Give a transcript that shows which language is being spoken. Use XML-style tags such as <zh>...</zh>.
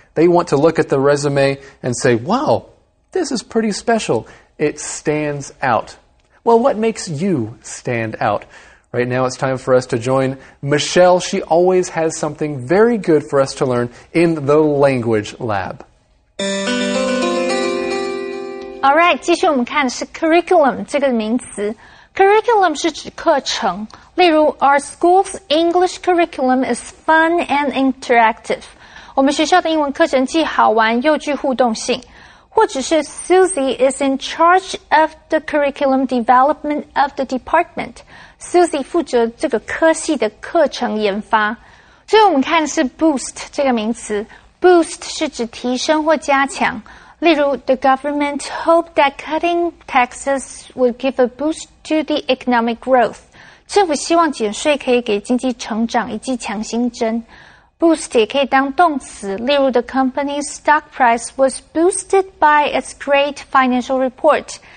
<en>They want to look at the resume and say, wow, this is pretty special. It stands out. Well, what makes you stand out? Right now it's time for us to join Michelle. She always has something very good for us to learn in the language lab. All right,</en> <zh>继续我们看的是 curriculum 这个名词。Curriculum 是指课程。</zh> <en>例如, our school's English curriculum is fun and interactive.</en> <zh>我们学校的英文课程既好玩又具互动性。</zh> <en>或者是 Susie is in charge of the curriculum development of the department.</en> <zh>Susie 负责这个科系的课程研发。最后我们看的是 boost 这个名词。</zh> <en>Boost</en> <zh>是指提升或加强。例如</zh> <en>the government hoped that cutting taxes would give a boost to the economic growth.</en> <zh>政府希望减税可以给经济成长一剂强心针。</zh> <en>Boost</en> <zh>也可以当动词, 例如</zh> <en>the company's stock price was boosted by its great financial report.</en>